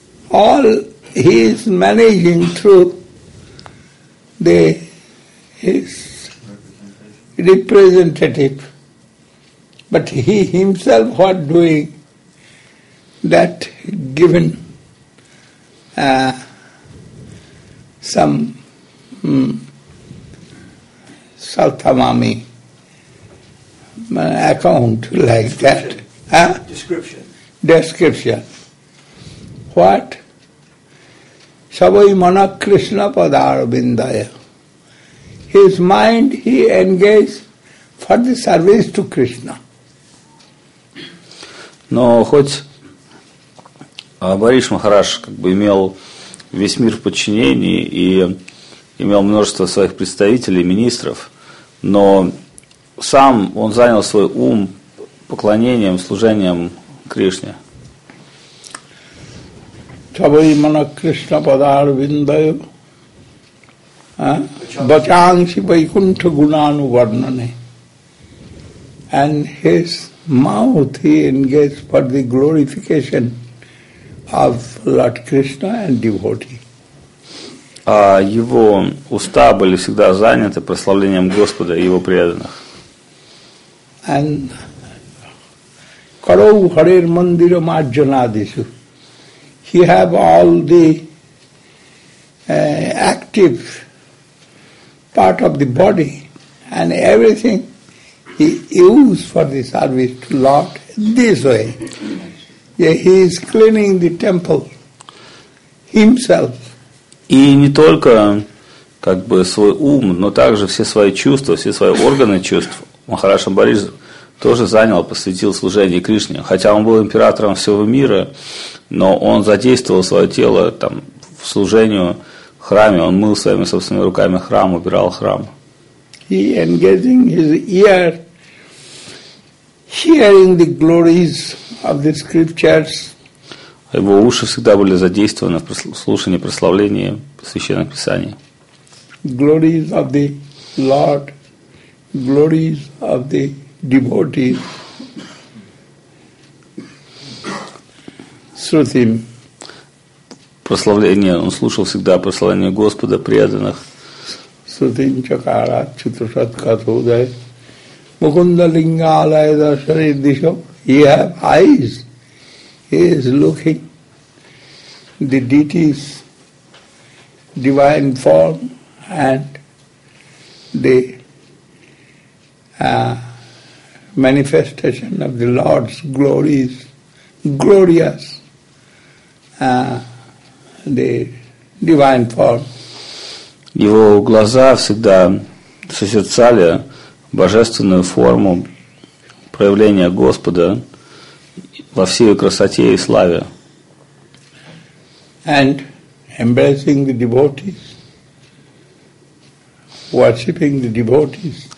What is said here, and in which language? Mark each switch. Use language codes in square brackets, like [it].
[en] All he is managing through his representative, but he himself what doing that given some saltamami account like that. Description. What? [sa] Savai mana Krishna padarabindaya. [en] His mind he engaged for the service to Krishna. [ru] Но хоть Амбариш Махарадж как бы имел весь мир в подчинении и имел множество своих представителей, министров, но сам он занял свой ум поклонением, служением Кришне. [sa] Чабаймана Кришна Падарвиндаю Бачанси Вайкунта Гунану Варнане. [en] And his mouth he engaged for the glorification of Lord Krishna and devotee. [ru] А его уста были всегда заняты прославлением Господа и его преданных. [sa] And Karo Harir Mandira Marjanadisu. [en] He have all the active part of the body and everything he used for the service to Lord this way. Yeah, he is cleaning the temple himself. [ru] И не только как бы свой ум, но также все свои чувства, все свои органы чувств Махараш Амбариш тоже занял, посвятил служение Кришне. Хотя он был императором всего мира, но он задействовал свое тело там, в служению в храме. Он мыл своими собственными руками храм, убирал храм. [en] He engaging his ear, hearing the glories of the scriptures. [ru] Его уши всегда были задействованы в слушании прославления Священных Писаний. [en] Glories of the Lord, glories of the devotees. [sa] Shruti. [ru] Прославление, он слушал всегда прославление Господа, преданных. [sa] Shruti Chakara Chutrasat Kathodai Mukunda Lingalaya Dasari Disho. [en] He has eyes. He is looking the deities, divine form and the manifestation of the Lord's glories, glorious, the divine form. [ru] Его глаза всегда созерцали божественную форму проявления Господа во всей красоте и славе. [en] And embracing the devotees, worshipping the devotees.